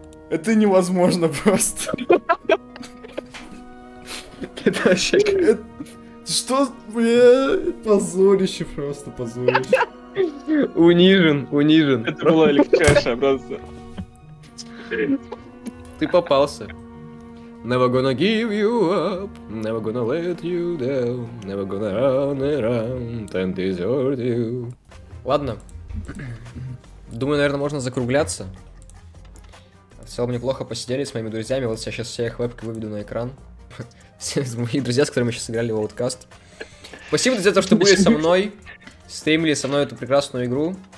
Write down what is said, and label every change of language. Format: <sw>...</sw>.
<ru>Это невозможно просто. Это вообще как... Что? Блядь, позорище просто, позорище. Унижен, унижен. Это была легчайшая образца. Ты попался.</ru> <en>Never gonna give you up, never gonna let you down, never gonna run around and desert you.</en> <ru>Ладно. Думаю, наверное, можно закругляться. В целом неплохо посидели с моими друзьями, вот я сейчас все их вебки выведу на экран. Все мои друзья, с которыми мы сейчас играли в Outcast. Спасибо за то, что были со мной, стримили со мной эту прекрасную игру.</ru>